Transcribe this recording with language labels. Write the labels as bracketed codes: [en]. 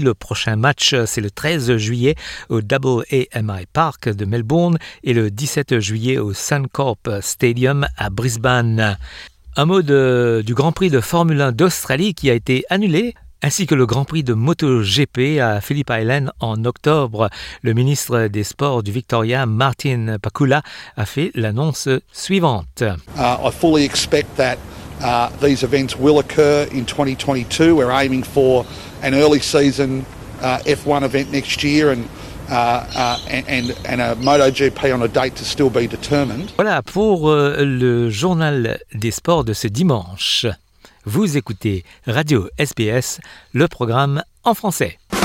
[fr] Le prochain match, c'est le 13 juillet au AAMI Park de Melbourne et le 17 juillet au Suncorp Stadium à Brisbane. Un mot du Grand Prix de Formule 1 d'Australie qui a été annulé. Ainsi que le Grand Prix de MotoGP à Phillip Island en octobre. Le ministre des Sports du Victoria, Martin Pakula, a fait l'annonce suivante. [en] I fully expect that these events will occur in 2022. We're aiming for an early season F1 event next year and a MotoGP on a date to still be determined. [fr] Voilà pour le journal des sports de ce dimanche. Vous écoutez Radio SBS, le programme en français.